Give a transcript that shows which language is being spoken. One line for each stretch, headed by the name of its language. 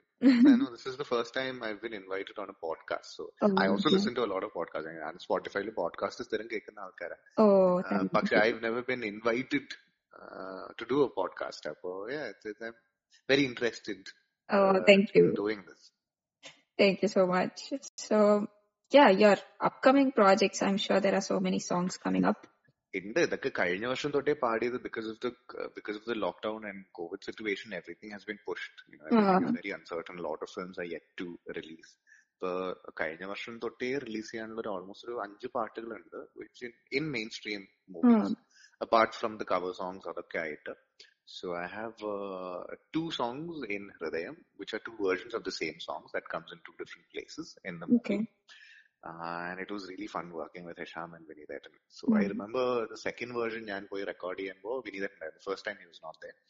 English: I know this is the first time I've been invited on a podcast, so I also listen to a lot of podcasts and Spotify
Malayalam: le podcasts therum kekkuna aalkara.
English: I've never been invited to do a podcast, so yeah, it's a very interested. Oh, thank you. Doing this. Thank you so much. So, yeah, your upcoming projects, I'm sure there are so many songs coming up.
Malayalam: ഇണ്ട്, ഇതൊക്കെ കഴിഞ്ഞ വർഷം തൊട്ടേ പാടിയത്,
English: Because of the lockdown and Covid situation everything has been pushed, you know, very uncertain, lot of films are yet to release.
Malayalam: കഴിഞ്ഞ വർഷം തൊട്ടേ release ചെയ്യാനുള്ള ഒരു ഓൾമോസ്റ്റ് ഒരു 5 പാട്ടുകൾ ഉണ്ട്
English: which in mainstream movies apart from the cover songs
Malayalam: അതൊക്കെ ആയിട്ട്.
English: So I have two songs in Hridayam, which are two versions of the same songs that comes in two different places in the movie. Okay. And it was really fun working with Hisham and Vinidhan. So mm-hmm. I remember the second version, I went to record it, Vinidhan, the first time he was not there.